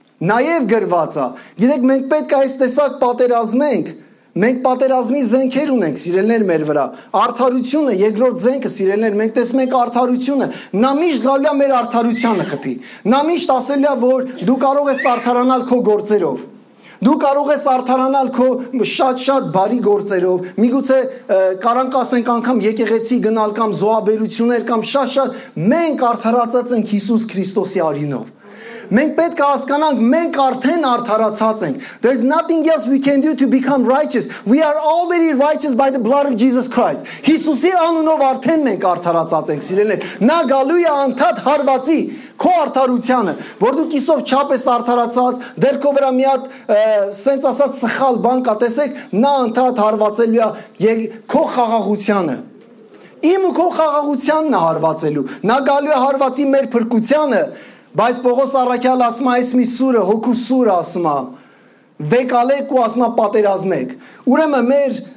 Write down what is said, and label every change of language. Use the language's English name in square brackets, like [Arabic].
[Armenian] նաև գրված է։ Գիտեք, մենք պետք է այս տեսակ պատերազմենք, մենք պատերազմի զենքեր ունենք, սիրելիներ, մեր վրա։ Արդարությունը, երկրորդ զենքը, սիրելիներ, մենք տեսնենք արդարությունը, նա միշտ գալու է մեր արդարությանը խփի, նա միշտ ասելու է, որ դու կարող ես արդարանալ քո գործերով, դու կարող ես արդարանալ քո շատ-շատ բարի գործերով, միգուցե կարանք ասենք անգամ եկեղեցի գնալ կամ զոհաբերություններ կամ շատ-շատ, մենք արդարացած ենք Հիսուս Քրիստոսի արյունով։ Մենք պետք է հասկանանք, մենք արդեն արդարացած ենք։ [English] There's nothing else we can do to become righteous. We are already righteous by the blood of Jesus Christ. [Armenian] Հիսուսի անունով արդեն մենք արդարացած ենք, սիրելիներ։ Նա գալու է անթադ հարվածի քո արդարությանը, որ դու կիսով չափ ես արդարացած, դեռ քո վրա մի հատ սենց ասած սխալ բան կա, տեսեք, նա անթադ հարվածելու է եւ քո խաղաղությանը, իմ ու քո խաղաղությանն է հարվածելու։ Նա գալու է հարվածի մեր փրկությանը։ Բայց Պողոս Առաքյալ ասում է, այս մի սուրը, հոգու սուրը ասում է, վեկալեք ու ասում է պատերազմեք։ Ուրեմն մեր